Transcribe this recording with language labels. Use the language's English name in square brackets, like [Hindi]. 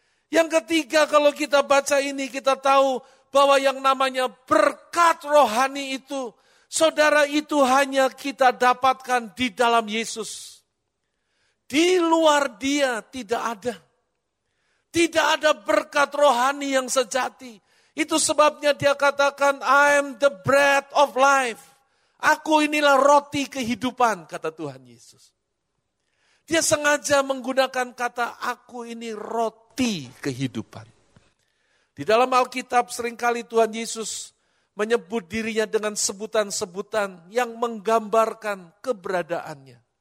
[Indonesian] Yang ketiga, kalau kita baca ini, kita tahu bahwa yang namanya berkat rohani itu, saudara, itu hanya kita dapatkan di dalam Yesus. Di luar dia tidak ada. Tidak ada berkat rohani yang sejati. Itu sebabnya dia katakan, [English] I am the bread of life. [Indonesian] Aku inilah roti kehidupan, kata Tuhan Yesus. Dia sengaja menggunakan kata, aku ini roti kehidupan. Di dalam Alkitab seringkali Tuhan Yesus menyebut dirinya dengan sebutan-sebutan yang menggambarkan keberadaannya.